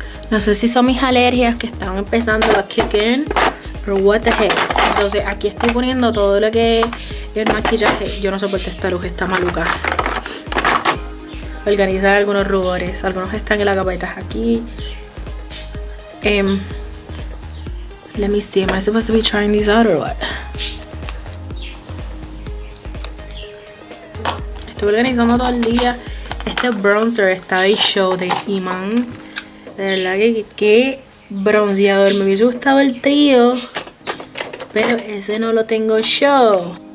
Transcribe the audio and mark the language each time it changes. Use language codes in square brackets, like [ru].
[es] No sé si son mis alergias que están empezando a [en] kick in, or what the heck. [es] Entonces aquí estoy poniendo todo lo que es el maquillaje. Yo no soporto esta luz, está maluca. Organizar algunos rubores. Algunos están en la capeta aquí. [en] Let me see, am I supposed to be trying these out or what? [es] Estuve organizando todo el día. Este bronzer está de show, de imán. De verdad que qué bronceador. Me hubiese gustado el trío, pero ese no lo tengo yo.